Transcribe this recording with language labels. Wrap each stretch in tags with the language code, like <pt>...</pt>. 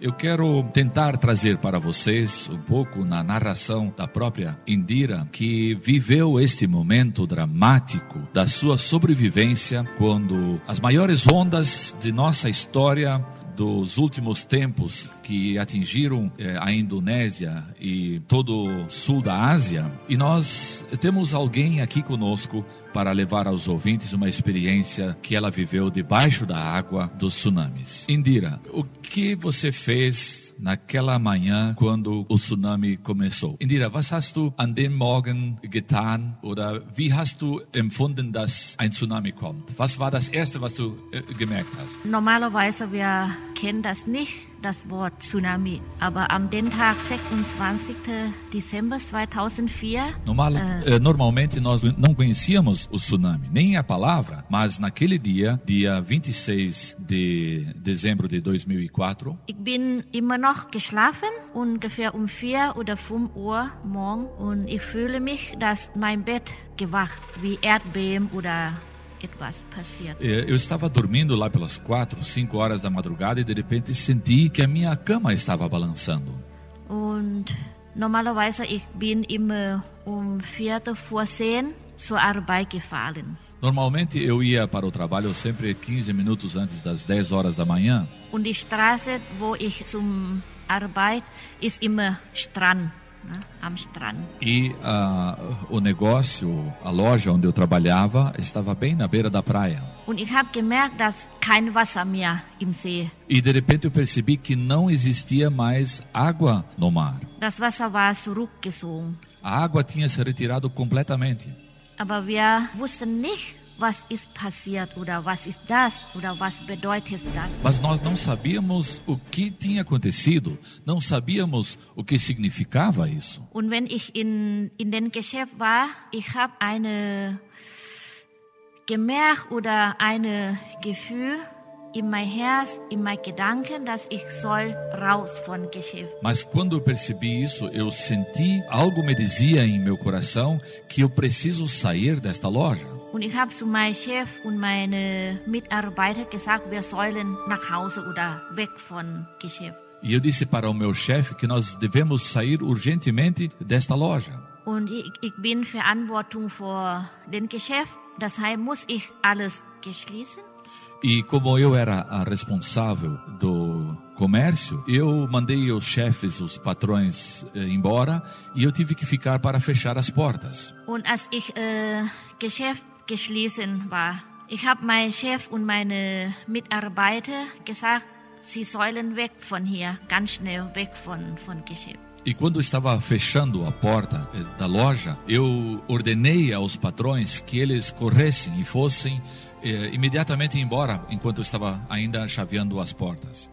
<pt>Eu quero tentar trazer para vocês um pouco na narração da própria Indira, que viveu este momento dramático da sua sobrevivência, quando as maiores ondas de nossa história dos últimos tempos, que atingiram a Indonésia e todo o sul da Ásia. E nós temos alguém aqui conosco para levar aos ouvintes uma experiência que ela viveu debaixo da água dos tsunamis. Indira, o que você fez naquela manhã quando o tsunami começou?</pt> <de>Indira, was hast du an dem Morgen getan, oder wie hast du empfunden, dass ein Tsunami kommt? Was war das Erste, was du gemerkt hast? Normalerweise, wir kennen das nicht, das Wort Tsunami. Aber am den Tag, 26. Dezember 2004...</de> <pt>Normalmente, nós não conhecíamos o tsunami, nem a palavra, mas naquele dia, dia 26 de dezembro de 2004...</pt> <de>Ich bin immer noch geschlafen, ungefähr 4 oder 5 Uhr morgen, und ich fühle mich, dass mein Bett gewacht, wie Erdbeben oder...</de> <pt>Eu estava dormindo lá pelas 4, 5 horas da madrugada e de repente senti que a minha cama estava balançando.</pt> <de>Und normalerweise ich bin immer 4 vor 10 zur Arbeit gefahren.</de> <pt>Normalmente eu ia para o trabalho sempre 15 minutos antes das 10 horas da manhã.</pt> <de>Und die Straße, wo ich zum Arbeit, ist immer Strand. am Strand.</de> <pt>E o negócio, a loja onde eu trabalhava, estava bem na beira da praia.</pt> <de>Und ich habe gemerkt, dass kein Wasser mehr im See.</de> <pt>E de repente eu percebi que não existia mais água no mar.</pt> <de>Das Wasser war zurückgezogen.</de> <pt>A água tinha se retirado completamente.</pt> <de>Aber wir wussten nicht, was ist passiert oder was ist das oder was bedeutet das.</de> <pt>Mas nós não sabíamos o que tinha acontecido, não sabíamos o que significava isso.</pt> <de>Und wenn ich in dem Geschäft war, ich habe eine gemerkt oder ein Gefühl in mein Herz, in mein Gedanken, dass ich soll raus von Geschäft.</de> <pt>Mas quando eu percebi isso, eu senti, algo me dizia em meu coração que eu preciso sair desta loja.</pt> <de>Und ich habe zu meinem Chef und meine Mitarbeiter gesagt, wir sollen nach Hause oder weg von Geschäft.</de> <pt>E eu disse para o meu chefe que nós devemos sair urgentemente desta loja.</pt> <de>Und ich bin Verantwortung für den Geschäft. Das heißt, muss ich alles geschließen?</de> <pt>E como eu era a responsável do comércio, eu mandei os chefes, os patrões embora e eu tive que ficar para fechar as portas.</pt> <de>Und als ich Geschäft geschlossen war, ich habe mein Chef und meine Mitarbeiter gesagt, sie sollen weg von hier, ganz schnell weg von Geschäft.</de> <pt>E quando eu estava fechando a porta da loja, eu ordenei aos patrões que eles corressem e fossem imediatamente embora enquanto eu estava ainda chaveando as portas.</pt>